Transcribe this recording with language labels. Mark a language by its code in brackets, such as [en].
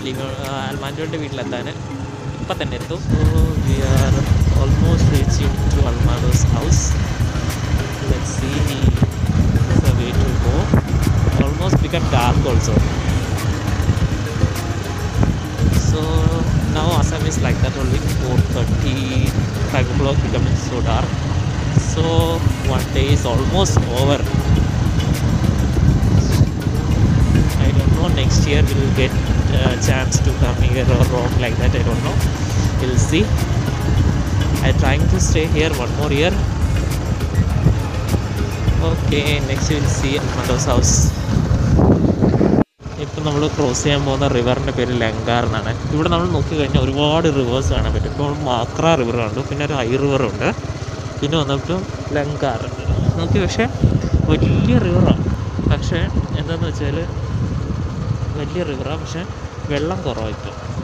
[ml] Live അൽമാൻ്റെ വീട്ടിലെത്താൻ ഇപ്പം തന്നെ എത്തും. [en] We are almost reaching to അൽമാൻ്റെ house. Let's see way to go. Almost become dark also. So now അസം is like that only 4:30 5 o'clock becoming so dark. So one day is almost over. I don't know next year we will get a chance to come here or wrong like that. I don't know, we'll see. I trying to stay here one more year. Okay, next we'll see Armando's house. [ml] ഇപ്പം നമ്മൾ cross ചെയ്യാൻ പോകുന്ന റിവറിൻ്റെ പേര് ലങ്കാർ എന്നാണ്. ഇവിടെ നമ്മൾ നോക്കിക്കഴിഞ്ഞാൽ ഒരുപാട് റിവേഴ്സ് കാണാൻ പറ്റും. ഇപ്പോൾ നമ്മൾ മാക്ര റിവർ കണ്ടു, പിന്നെ ഒരു ഐ റിവറുണ്ട്, പിന്നെ വന്നിട്ട് ലങ്കാർ ഉണ്ട് നോക്കി. പക്ഷേ വലിയ റിവറാണ്, പക്ഷേ എന്താണെന്ന് വെച്ചാൽ വലിയ റിവറാണ് പക്ഷേ വെള്ളം കുറവായിട്ടും.